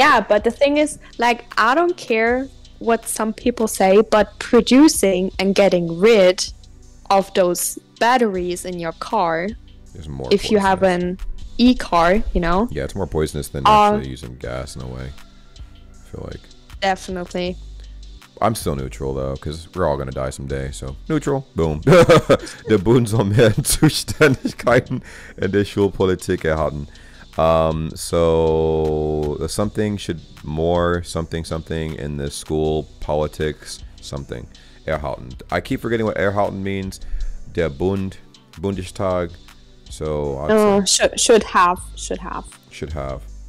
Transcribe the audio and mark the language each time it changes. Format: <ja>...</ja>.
<en>Yeah, but the thing is, like, I don't care what some people say, but producing and getting rid of those batteries in your car, there's more if poisonous. You have an e-car, you know? Yeah, it's more poisonous than actually using gas in a way, I feel like. Definitely. I'm still neutral, though, because we're all going to die someday. So, neutral. Boom.</en> <de>Der Bund soll mehr Zuständigkeiten in der Schulpolitik erhalten.</de> <en>So, something should more something in the school politics something erhalten. I keep forgetting what erhalten means. Der Bund, Bundestag. So, should have.</en>